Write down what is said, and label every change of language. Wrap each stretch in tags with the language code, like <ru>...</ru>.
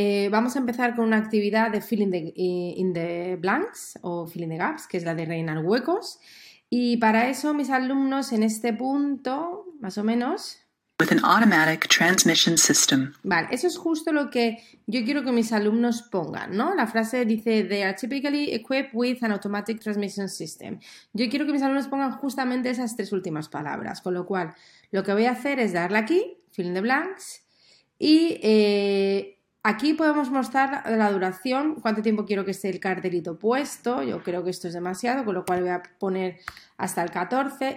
<es>Vamos a empezar con una actividad de</es> <en>in the blanks</en> <es>o</es> <en>fill in the gaps,</en> <es>que es la de rellenar huecos. Y para eso mis alumnos en este punto, más o menos,</es> <en>With an automatic transmission system.</en> <es>vale, eso es justo lo que yo quiero que mis alumnos pongan, ¿no? La frase dice,</es> <en>They are typically equipped with an automatic transmission system.</en> <es>Yo quiero que mis alumnos pongan justamente esas tres últimas palabras, con lo cual lo que voy a hacer es darle aquí,</es> <en>fill in the blanks,</en> <es>y aquí podemos mostrar la duración, cuánto tiempo quiero que esté el cartelito puesto. Yo creo que esto es demasiado, con lo cual voy a poner hasta el 14.</es>